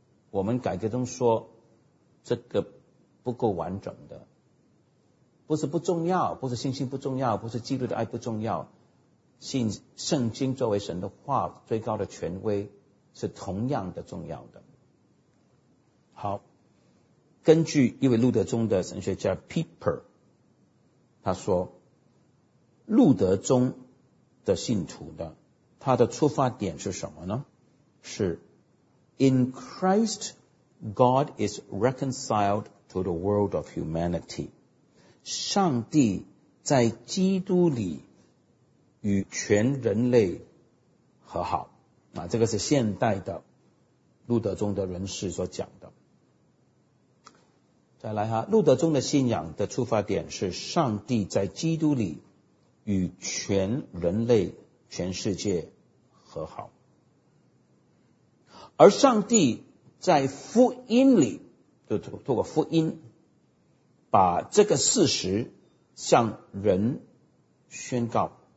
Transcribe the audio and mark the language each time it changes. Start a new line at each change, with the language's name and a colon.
Chinese: 我们改革中说这个不够完整的，不是不重要，不是信心不重要，不是基督的爱不重要，信圣经作为神的话最高的权威是同样的重要的。好，根据一位路德宗的神学家 Piper， 他说路德宗的信徒呢，他的出发点是什么呢？
English: 是 In Christ God is reconciled to the world of humanity，
Chinese: 上帝在基督里与全人类和好。那这个是现代的路德宗的人士所讲的。再来哈，路德宗的信仰的出发点是上帝在基督里与全人类全世界和好，而上帝在福音里就透过福音把这个事实向人宣告，